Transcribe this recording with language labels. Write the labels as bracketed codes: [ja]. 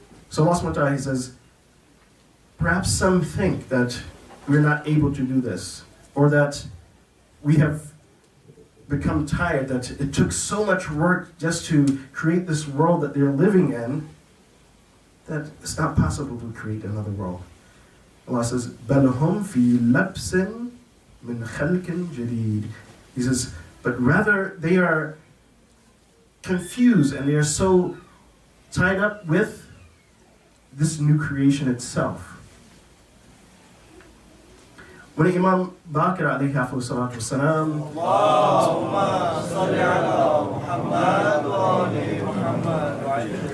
[en] So Allah subhanahu wa ta'ala, He says, perhaps some think that we're not able to do this, or that we have become tired, that it took so much work just to create this world that they're living in, that it's not possible to create another world. Allah says, [ar] بَلْهُمْ فِي لَبْسٍ مِنْ خَلْكٍ جَدِيدٍ. [en] He says, but rather they are confused and they are so tied up with this new creation itself. When Imam Baqir alayhi wa salatu wa salam, [ar] Allahumma salli ala Muhammad wa ali Muhammad wa ali.